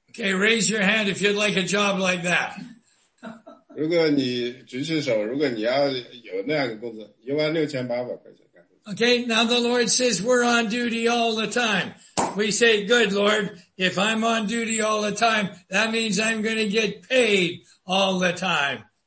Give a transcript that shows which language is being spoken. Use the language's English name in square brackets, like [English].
[English] Okay, raise your hand if you'd like a job like that. [Chinese] 如果你举起手，如果你要有那样的工作，16800块钱。 [English] Okay, now the Lord says we're on duty all the time. We say, good Lord, if I'm on duty all the time, that means I'm going to get paid all the time.